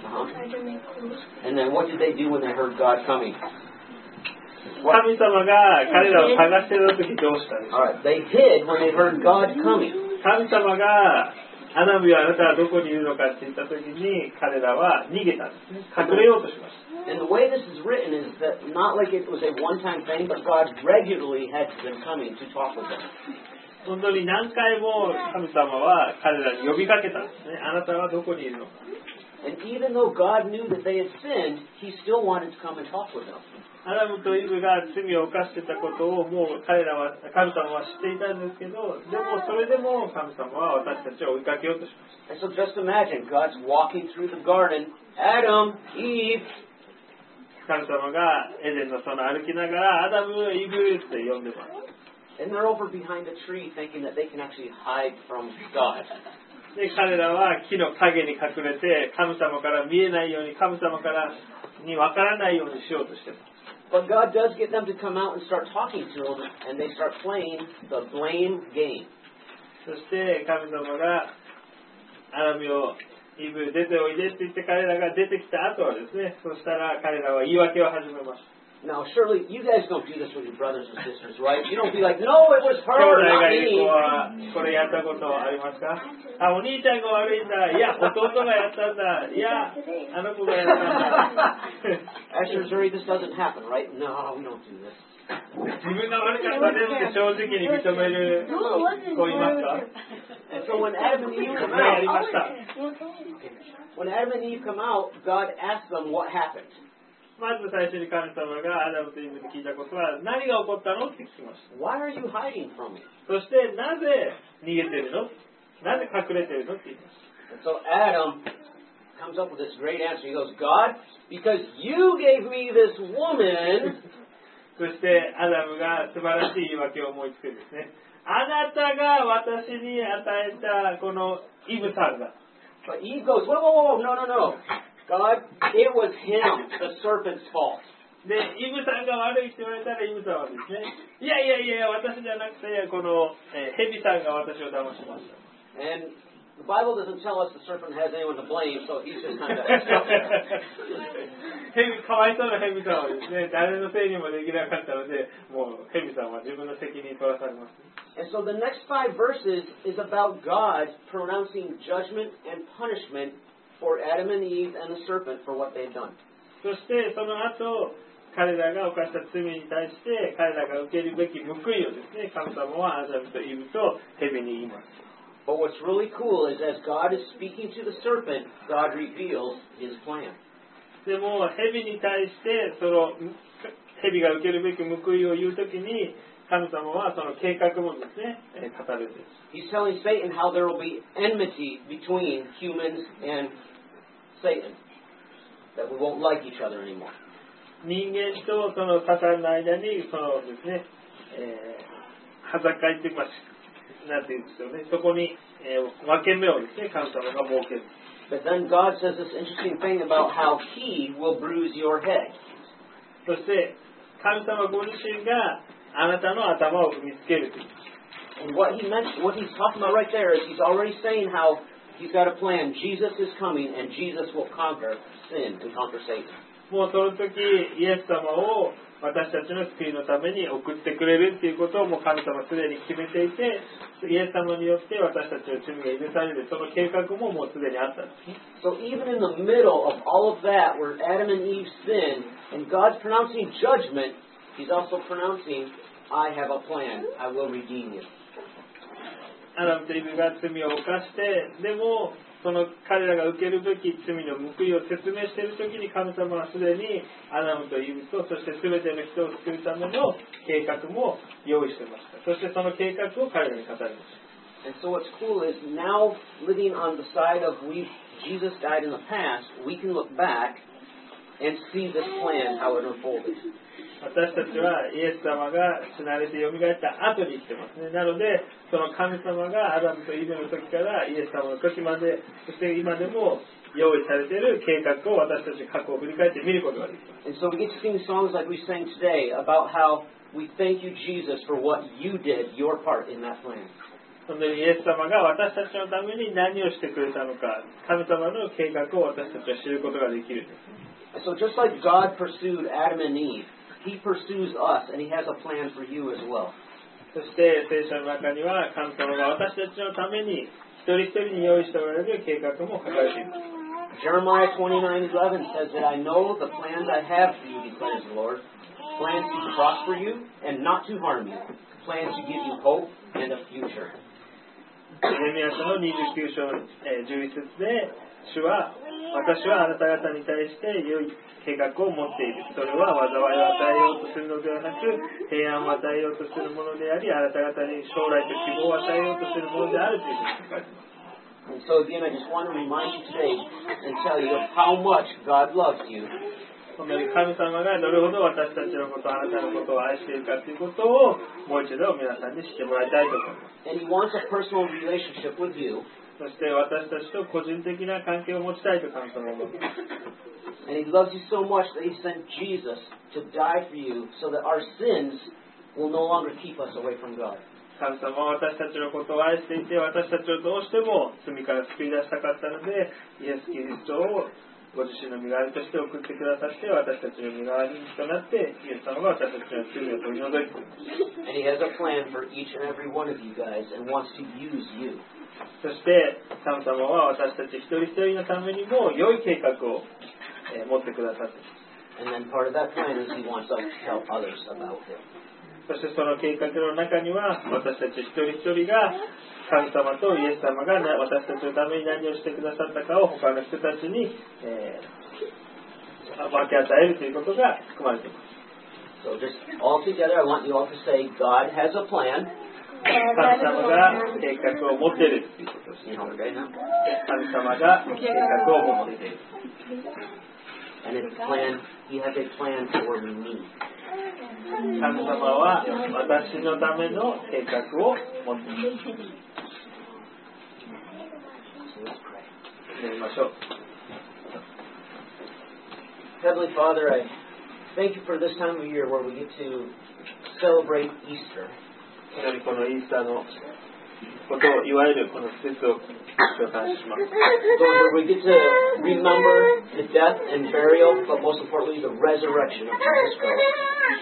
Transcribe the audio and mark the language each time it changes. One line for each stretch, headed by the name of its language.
English: And then what did they do when they heard God coming?
Japanese: 神様が彼らを探してる時どうしたんですか？
English: They hid when they heard God coming.
Japanese: 神様がアダムよあなたはどこにいるのかって言った時に彼らは逃げたんです。隠れようとしました。
English: And the way this is written is that not like it was a one-time thing, but God regularly had them coming to talk with them.
Japanese: 本当に何回も神様は彼らに呼びかけたんですね。あなたはどこにいるのか。
English: And even though God knew that they had sinned, He still wanted to come and talk with them.
Japanese: アダムとイブが罪を犯してたことをもう彼らは神様は知っていたんですけど、でもそれでも神様は私たちを追いかけようとしました。
English: And so just imagine God's walking through the garden, Adam, Eve.
Japanese: 神様がエデンの園歩きながらアダム、イブって呼んでます。
English: And they're over behind the tree thinking that they can actually hide from God.
Japanese: で、彼らは木の影に隠れて、神様から見えないように、神様からに分からないようにしようとしてます。
English: But God does get them to come out and start talking to them, and they start playing the blame game.
Japanese: そして神様がアダムをイブ出ておいでって言って彼らが出てきた後はですね、そしたら彼らは言い訳を始めました。
English: Now, surely you guys don't do this with your brothers and sisters, right? You don't be like, no, it was her, not me.
Japanese: 兄弟がいる子はこれやったことありますか？あ、お兄ちゃんが悪いんだ。いや、弟がやったんだ。いや、あの子がやったんだ。
English: Actually, Zuri, this doesn't happen, right? No, we don't do this.
Japanese: 自分が悪かったですって正直に認める子いますか？
English: So when Adam and Eve come out, God asked them what happened.
Japanese: まず最初に神様がアダムとイブに聞いたことは何が起こったのって聞きました。
English: Why are you hiding from me?
Japanese: そしてなぜ逃げてるの？なぜ隠れてるのって言います。
English: And so Adam comes up with this great answer. He goes, God, because you gave me this woman.
Japanese: そしてアダムが素晴らしい言い訳を思いつくんですね。あなたが私に与えたこのイブさんが。
English: But Eve goes, whoa, whoa, whoa, no, no, no. God, it was him, the serpent's fault.
Japanese: で、イブさんが悪いって言われたら、イブさんはですね、いやいやいや、私じゃなくて、この、ヘビさんが私を騙しました。
English: And the Bible doesn't tell us the serpent has anyone to blame, so he's just kind of stuck there.
Japanese: かわいそうなヘビさんはですね、誰のせいにもできなかったので、もうヘビさんは自分の責任取らされます。
English: And so the next five verses is about God pronouncing judgment and punishment. For Adam and Eve and the serpent for what they've done.
Japanese: そしてその後彼らが犯した罪に対して彼らが受けるべき報いをですね、神様はアダムとイブとヘビに言います。
English: But what's really cool is as God is speaking to the serpent, God reveals his plan.
Japanese: でも蛇に対してその蛇が受けるべき報いを言うときに神様はその計画もですね語るんです。
English: He's telling Satan how there will be enmity between humans and Satan. That we won't like each other anymore.
Japanese: 人間とそのサタンの間にそのですね、はざかいって言いますか。そこに、分け目をですね、神様が設ける。
English: But then God says this interesting thing about how He will bruise your head.
Japanese: そして、神様ご自身があなたの頭を踏みつける。
English: And what He mentioned, what He's talking about right there is He's already saying how He's got a plan. Jesus is coming and Jesus will conquer sin and conquer Satan.
Japanese: もうその時、イエス様を私たちの救いのために送ってくれるということをもう神様はすでに決めていて、イエス様によって私たちの罪が許されるその計画ももうすでにあったんです。
English: So even in the middle of all of that, where Adam and Eve sin, and God's pronouncing judgment, He's also pronouncing, I have a plan, I will redeem you.
Japanese: アダムとイブが罪を犯して、でもその彼らが受けるべき罪の報いを説明しているときに神様はすでにアダムとイブとそして全ての人を救うための計画も用意していました。そしてその計画を彼らに語りました。
English: And so what's cool is now living on the side of we Jesus died in the past, we can look back and see this plan how it unfolded.
Japanese: 私たちはイエス様が死なれて蘇った後に来てますね。なのでその神様がアダムとイブの時からイエス様の時まで、そして今でも用意されている計画を私たち過去を振り返って見ることができます。
English: And so we get to sing songs like we sang today about how we thank you Jesus for what you did, your part in that plan.
Japanese: そのイエス様が私たちのために何をしてくれたのか、神様の計画を私たちは知ることができるんです。
English: So just like God pursued Adam and Eve, He pursues us and He has a plan for you as well.
Japanese: そして聖書の中には神様が私たちのために一人一人に用意しておられる計画も書かれています。
English: Jeremiah 29:11 says that I know the plans I have for you, declares the Lord. Plans to prosper you and not to harm you. Plans to give you hope and a future.
Japanese: エレミア書の29章11節で主は私はあなた方に対して良い計画を持っている。それは災いを与えようとするのではなく平安を与えようとするものであり、あなた方に将来と希望を与えようとするものであるというふうに書かれています。
English: And so again I just want to remind you today and tell you of how much God loves you.
Japanese: 神様がどれほど私たちのこと、あなたのことを愛しているかということをもう一度皆さんに知ってもらいたいと思います。
English: And He wants a personal relationship with you.
Japanese: そして私たちと個人的な関係を持ちたいと神様は思います。
English: And He loves you so much that He sent Jesus to die for you so that our sins will no longer keep us away from God.
Japanese: 神様は私たちのことを愛していて、私たちをどうしても罪から救い出したかったので、イエス・キリストをご自身の身代わりとして送ってくださって、私たちの身代わりとなって、イエス様が私たちの罪を取り除いています。
English: And He has a plan for each and every one of you guys and wants to use you.
Japanese: そして神様は私たち一人一人のためにも良い計画を持ってくださっています。そしてその計画の中には私たち一人一人が神様とイエス様が私たちのために何をしてくださったかを他の人たちに分け与えるということが含まれています。 So just all together I want you all to say God has a plan. 神様が計画を持っているということです。神様が計画を持っている。神様は私のための計画を持っている。祈りましょう。
English: Heavenly Father, I thank you for this time of year where we get to celebrate Easter.
Japanese: やはりこのイースターのことをいわゆるこの季節を紹介します。
English: Lord, we get to remember the death and burial, but most importantly the resurrection of Jesus Christ.